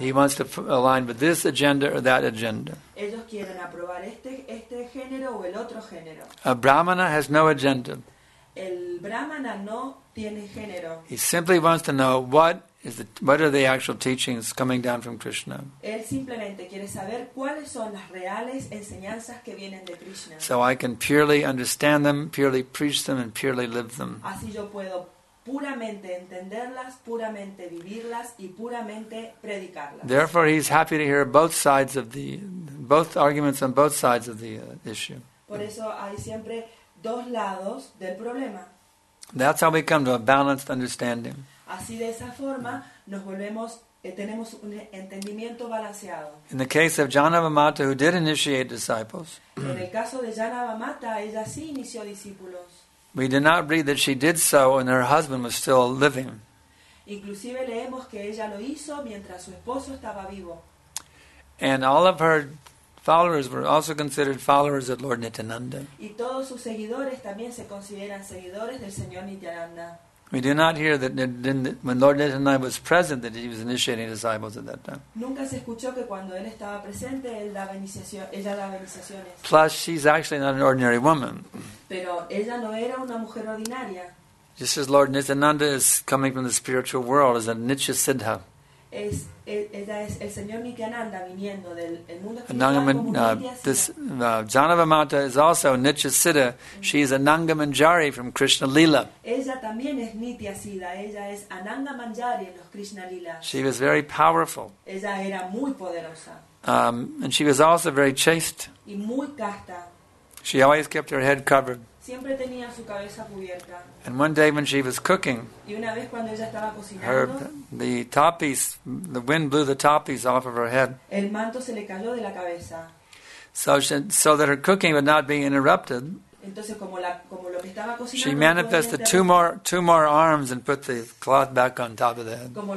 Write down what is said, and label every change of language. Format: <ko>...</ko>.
<en>He wants to align with this agenda or that agenda.</en> <es>Ellos quieren aprobar este género o el otro género.</es> <en>A Brahmana has no agenda.</en> <es>El Brahmana no tiene género.</es> <en>He simply wants to know what are the actual teachings coming down from Krishna?</en> <es>Él simplemente quiere saber cuáles son las reales enseñanzas que vienen de Krishna.</es> <en>So I can purely understand them, purely preach them, and purely live them.</en> <es>Así yo puedo puramente entenderlas, puramente vivirlas, y puramente predicarlas.</es> <en>Therefore, he's happy to hear both sides of the both arguments on both sides of the issue.</en> <es>Por eso hay siempre dos lados del problema.</es> <en>That's how we come to a balanced understanding.</en> <es>Así de esa forma nos volvemos tenemos un entendimiento balanceado.</es> <en>In the case of Janava Mata, who did initiate disciples,</en> <es>en el caso de Janava Mata, ella sí inició discípulos.</es> <en>We did not read that she did so and her husband was still living.</en> <es>Inclusive leemos que ella lo hizo mientras su esposo estaba vivo.</es> <en>And all of her followers were also considered followers of Lord Nityananda.</en> <es>Y todos sus seguidores también se consideran seguidores del Señor Nityananda.</es> <en>We do not hear that when Lord Nityananda was present that he was initiating disciples at that time.</en> <es>Nunca se escuchó que cuando él estaba presente él daba iniciación, ella daba iniciaciones.</es> <en>Plus, she's actually not an ordinary woman.</en> <es>Pero ella no era una mujer ordinaria.</es> <en>Just as Lord Nityananda is coming from the spiritual world as a Nitya Siddha. Janavamata is also Nitya Siddha. She is Ananga Manjari from Krishna Lila.</en> <es>Ella también es Nitya Siddha. Ella es Ananga Manjari en los Krishna Lila.</es> <en>She was very powerful.</en> <es>Ella era muy poderosa.</es> <en>And she was also very chaste.</en> <es>Y muy casta.</es> <en>She always kept her head covered.</en> <es>Siempre tenía su cabeza cubierta.</es> <en>And one day when she was cooking,</en> <es>y una vez cuando ella estaba cocinando, her,</es> <en>the tapis, the wind blew the tapis off of her head.</en> <es>El manto se le cayó de la cabeza.</es> <en>So that her cooking would not be interrupted,</en> <es>entonces, como lo que estaba cocinando,</es> <en>she manifested two more arms and put the cloth back on top of the head.</en>